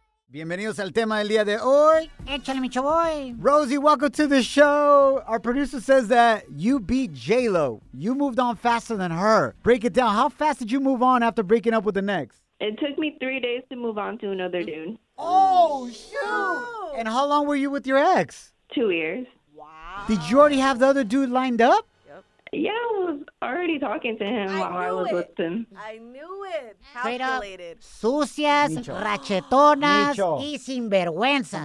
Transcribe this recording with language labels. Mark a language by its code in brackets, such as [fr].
[es] Bienvenidos al tema del día de hoy. Échale, mi chavoy. [en] Rosie, welcome to the show. Our producer says that you beat J-Lo. You moved on faster than her. Break it down. How fast did you move on after breaking up with the next? It took me 3 days to move on to another dude. Oh, shoot. And how long were you with your ex? 2 years. Wow. Did you already have the other dude lined up? Yep. Yeah, I was already talking to him with him. I knew it. Calculated. [es] Sucias, Micho. Rachetonas, y sinvergüenzas.